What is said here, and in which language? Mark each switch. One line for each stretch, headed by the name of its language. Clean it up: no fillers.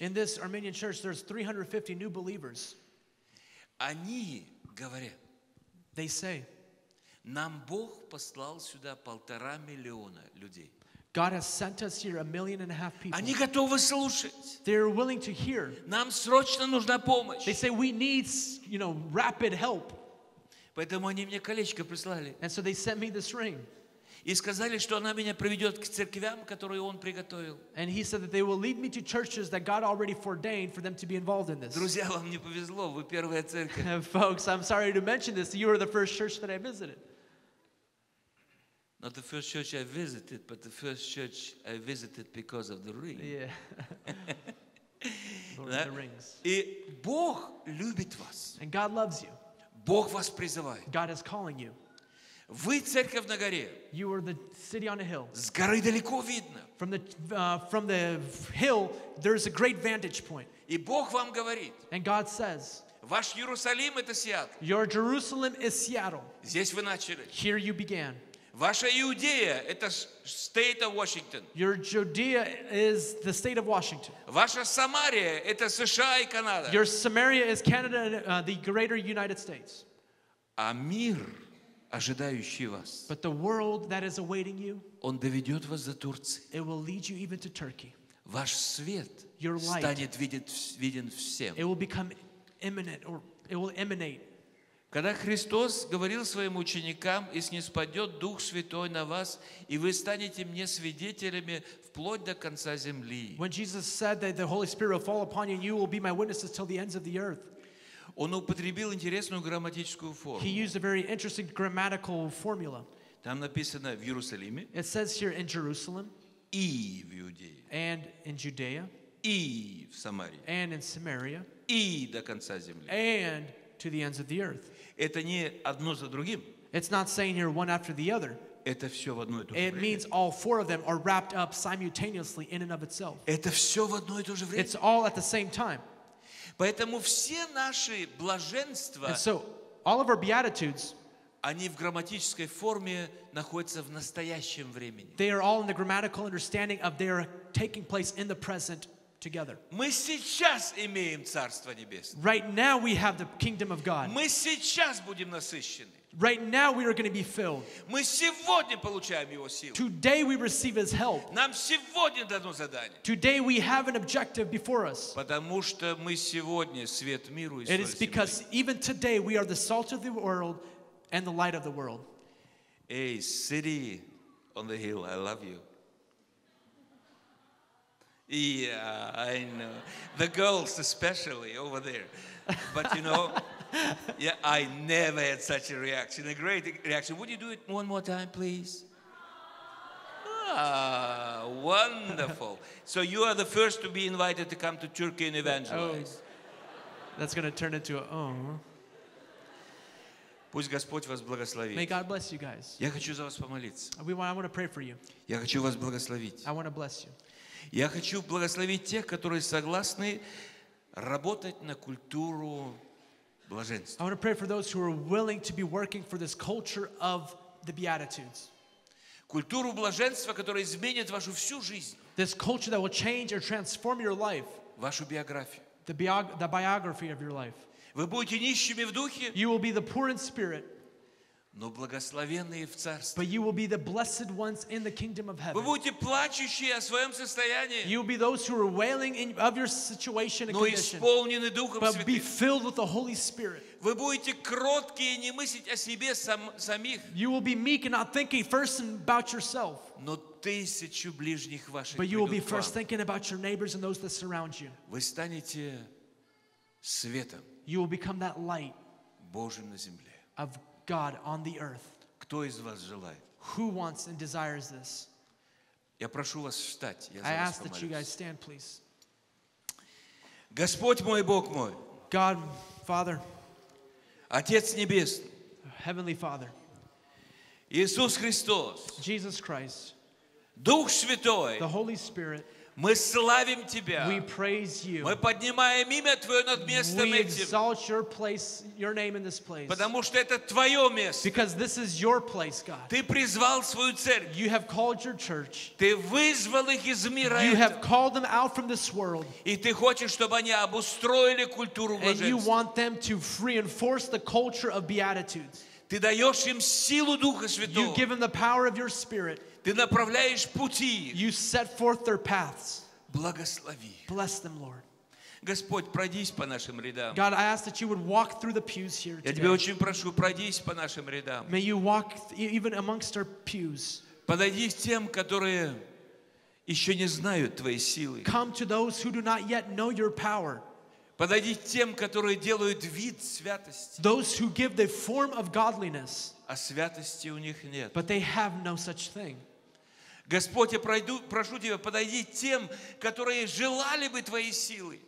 English: In this Armenian church, there's 350 new believers.
Russian: Они говорят.
English: They say,
Russian: нам Бог послал сюда 1.5 миллиона людей.
English: God has sent us here 1.5 million people.
Russian: Они готовы слушать.
English: They're willing to hear.
Russian: Нам срочно нужна помощь.
English: They say we need, you know, rapid help.
Russian: Поэтому они мне колечко прислали.
English: And so they sent me this ring.
Russian: И сказали, что она меня приведет к церквям, которые он приготовил.
English: And he said that they will lead me to churches that God already ordained for them to be involved in this.
Russian: Друзья, вам не повезло, вы первая церковь.
English: Folks, I'm sorry to mention this, you are the first church that I visited. Not the first church I visited, but the first church I visited because of the ring. Yeah. Lord of the rings.
Russian: И Бог любит вас.
English: And God loves you.
Russian: Бог вас призывает.
English: God is calling you.
Russian: Вы церковь на горе.
English: You are the city on a hill.
Russian: С горы далеко видно.
English: From the hill, there is a great vantage point.
Russian: И Бог вам говорит.
English: And God says.
Russian: Ваш Иерусалим это Сиэтл.
English: Your Jerusalem is Seattle.
Russian: Здесь вы начали.
English: Here you began.
Russian: Ваша Иудея это
English: state of Washington. Your Judea is the state of Washington.
Russian: Ваша Самария это США и Канада.
English: Your Samaria is Canada, the greater United States.
Russian: А мир ожидающий вас,
English: but the world that is awaiting you,
Russian: он доведет вас до Турции.
English: It will lead you even to Turkey.
Russian: Ваш свет
English: Your light,
Russian: станет виден всем.
English: It will become imminent or it will emanate.
Russian: Когда Христос говорил своим ученикам, и снисподет Дух Святой на вас, и вы станете мне свидетелями вплоть до конца земли.
English: When Jesus said that the Holy Spirit will fall upon you and you will be my witnesses till the ends of the earth.
Russian: Он употребил интересную грамматическую форму.
English: He used a very interesting grammatical formula.
Russian: Там написано в Иерусалиме.
English: It says here in Jerusalem.
Russian: И в Иудее.
English: And in Judea.
Russian: И в Самарии.
English: And in Samaria.
Russian: И до конца земли.
English: And to the ends of the earth.
Russian: Это не одно за другим.
English: It's not saying here one after the other.
Russian: Это все в одно и то же время.
English: It means all four of them are wrapped up simultaneously in and of itself.
Russian: Это все в одно и то же время.
English: It's all at the same time.
Russian: Поэтому все наши блаженства,
English: so, all of our beatitudes,
Russian: они в грамматической форме находятся в настоящем времени.
English: They are all in the grammatical understanding of they are taking place in the present together.
Russian: Мы сейчас имеем Царство Небесное.
English: Right now we have the kingdom of God.
Russian: Мы сейчас будем насыщены.
English: Right now we are going to be filled.
Russian: Мы сегодня получаем Его силу.
English: Today we receive His help.
Russian: Нам сегодня дано задание.
English: Today we have an objective before us.
Russian: Потому что мы сегодня свет миру и соль.
English: It is because even today we are the salt of the world and the light of the world. Hey, city on the hill, I love you. Yeah, I know. The girls especially over there. But you know, yeah, I never had such a reaction. A great reaction. Would you do it one more time, please? Ah, wonderful. So you are the first to be invited to come to Turkey and evangelize. Oh, that's going to turn into a oh.
Russian: Пусть Господь вас благословит.
English: May God bless you guys.
Russian: Я хочу за вас помолиться.
English: I want to pray for you.
Russian: Я хочу вас благословить.
English: I want to bless you.
Russian: Я хочу благословить тех, которые согласны работать на культуру блаженства.
English: I want to pray for those who are willing to be working for this culture of the Beatitudes.
Russian: Культуру блаженства, которая изменит вашу всю жизнь.
English: This culture that will change or transform your life.
Russian: Вашу биографию.
English: The biography of your life.
Russian: Вы будете нищими в духе.
English: You will be the poor in spirit.
Russian: Но благословенные в царстве.
English: But you will be the blessed ones in the kingdom of heaven.
Russian: Вы будете плачущие о своем состоянии.
English: You will be those who are wailing in, of your situation and condition.
Russian: Но исполнены Духом Святым.
English: But be filled with the Holy Spirit.
Russian: Вы будете кроткие, не мыслить о себе самих.
English: You will be meek and not thinking first about yourself.
Russian: Но тысячу ближних ваших придут к вам.
English: But you will be first thinking about your neighbors and those that surround you.
Russian: Вы станете светом.
English: You will become that light.
Russian: Божьим на земле.
English: Of God on the earth.
Russian: Кто из вас желает?
English: Who wants and desires this?
Russian: Я прошу вас встать. Я
English: I ask
Russian: помолюсь.
English: That you guys stand, please.
Russian: Господь мой, Бог мой.
English: God, Father.
Russian: Отец небесный.
English: Heavenly Father.
Russian: Иисус Христос.
English: Jesus Christ.
Russian: Дух Святой.
English: The Holy Spirit.
Russian: Мы славим Тебя.
English: We praise you.
Russian: Мы поднимаем имя Твое над местом этим.
English: We exalt your place, your name in this place.
Russian: Потому что это Твое место.
English: Because this is your place, God.
Russian: Ты призвал свою церковь.
English: You have called your church.
Russian: Ты вызвал их из мира этого.
English: You have called them out from this world.
Russian: И ты хочешь, чтобы они обустроили культуру блаженства.
English: And you want them to reinforce the culture of beatitudes.
Russian: Ты даешь им силу Духа Святого.
English: You give them the power of your spirit.
Russian: Ты направляешь пути.
English: You set forth their paths.
Russian: Благослови.
English: Bless them, Lord.
Russian: Господь, пройдись по нашим рядам.
English: God, I ask that you would walk through the pews here today.
Russian: Я тебя очень прошу, пройдись по нашим рядам.
English: May you walk even amongst our pews.
Russian: Подойди к тем, которые еще не знают твоей силы.
English: Come to those who do not yet know your power.
Russian: Подойди к тем, которые делают вид святости.
English: Those who give the form of godliness.
Russian: А святости у них нет.
English: But they have no such thing.
Russian: Господь, я прошу Тебя, подойди тем, которые желали бы Твоей силы.